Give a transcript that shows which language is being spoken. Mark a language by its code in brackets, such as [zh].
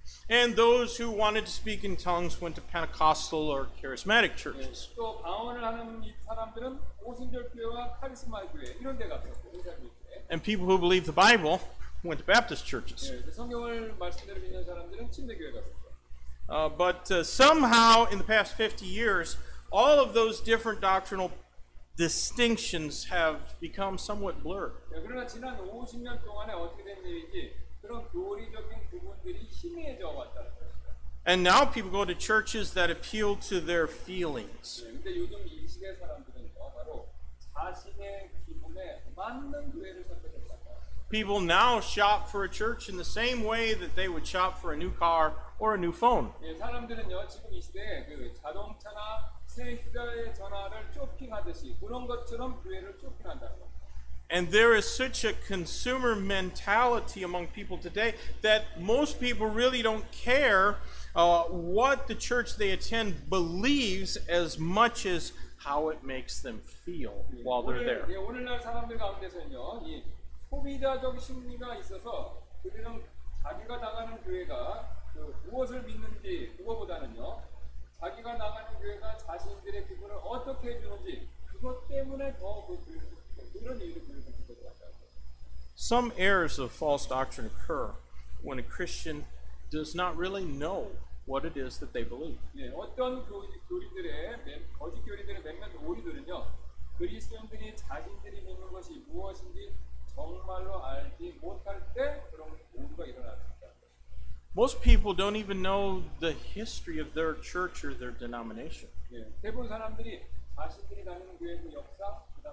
[en] And those who wanted to speak in tongues went to Pentecostal or Charismatic churches. Yeah. And people who believe the Bible went to Baptist churches. [ko] 네, 성경을 말씀대로 믿는 사람들은 침례 교회 갔었죠. [en] Somehow in the past 50 years, all of those different doctrinal distinctions have become somewhat blurred. [ko] 네, 그러나 지난 50년 동안에 어떻게 된 일인지 그런 교리적인 부분들이 희미해져 왔다. [en] And now people go to churches that appeal to their feelings. [ko] 네, 근데 요즘 이 시대 사람들은 바로 자신의 기분에 맞는 교회를 선택했다. [en] People now shop for a church in the same way that they would shop for a new car or a new phone. [ko] 네, 사람들은요 지금 이 시대에 그 자동차나 새 휴대 전화를 쇼핑하듯이 그런 것처럼 교회를 쇼핑한다. [en] And there is such a consumer mentality among people today that most people really don't care what the church they attend believes as much as how it makes them feel while they're there. [ko] 예, 오늘날 사람들 가운데서는요, 이 소비자적 심리가 있어서 그들은 자기가 나가는 교회가 그 무엇을 믿는지 그거보다는요, 자기가 나가는 교회가 자신들의 기분을 어떻게 해주는지 그것 때문에 더 그 교회를 [en] Some errors of false doctrine occur when a Christian does not really know what it is that they believe. [ko] 예, 어떤 교리들의 거짓 교리들의 몇몇 오류들은요, 그리스도인들이 자신들이 믿는 것이 무엇인지 정말로 알지 못할 때 그런 오류가 일어납니다. [en] Most people don't even know the history of their church or their denomination. [ko] 예, 대부분 사람들이 자신들이 다니는 교회의 역사